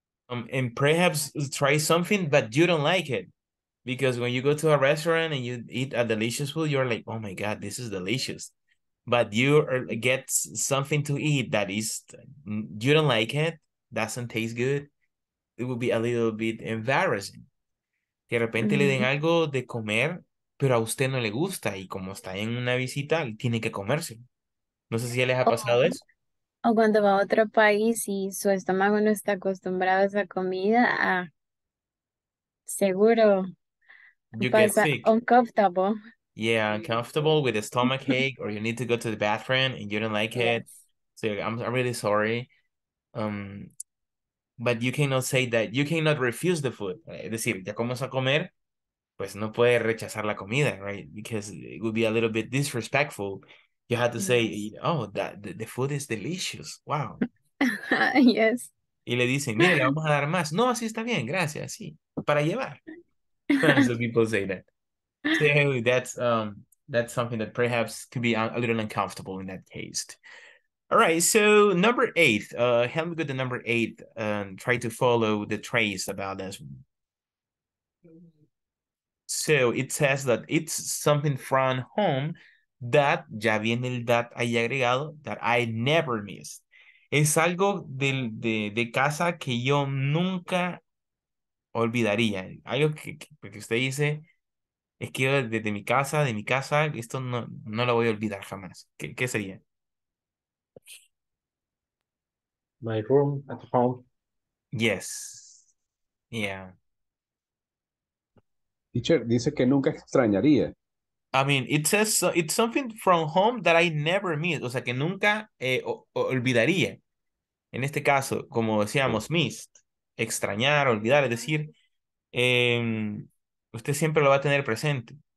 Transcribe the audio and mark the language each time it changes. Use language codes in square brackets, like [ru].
[en] And perhaps try something, but you don't like it. Because when you go to a restaurant and you eat a delicious food, you're like, oh my God, this is delicious. But you get something to eat that is, you don't like it, doesn't taste good, it would be a little bit embarrassing. [es] Que de repente le den algo de comer, pero a usted no le gusta. Y como está en una visita, tiene que comerse. No sé si ya les ha pasado eso. O cuando va a otro país y su estómago no está acostumbrado a esa comida, seguro [en] you pasa get sick. Uncomfortable. Yeah, uncomfortable with a stomach ache or you need to go to the bathroom and you don't like it. So I'm really sorry. But you cannot say that. You cannot refuse the food. [es] Es decir, ya comienza a comer, pues no puede rechazar la comida, right? [en] Because it would be a little bit disrespectful. You had to say, oh, that the food is delicious. Wow. Yes. [es] Y le dicen, mira, le vamos a dar más. No, así está bien, gracias. Sí, para llevar. [en] So people say that. So that's something that perhaps could be a little uncomfortable in that case. All right, so number eight. Help me with the number eight. Try to follow the trace about this one. So it says that it's something from home that, [es] ya viene el that ahí agregado, [en] that I never miss. [es] Es algo de casa que yo nunca olvidaría. Algo que usted dice, es que yo desde mi casa, esto no lo voy a olvidar jamás. ¿Qué sería? [en] My room at home. Yes. Yeah. [es] Teacher, dice que nunca extrañaría. [en] I mean, it says it's something from home that I never miss. [es] O sea, que nunca olvidaría. En este caso, como decíamos, missed, extrañar, olvidar, es decir, usted siempre lo va a tener presente.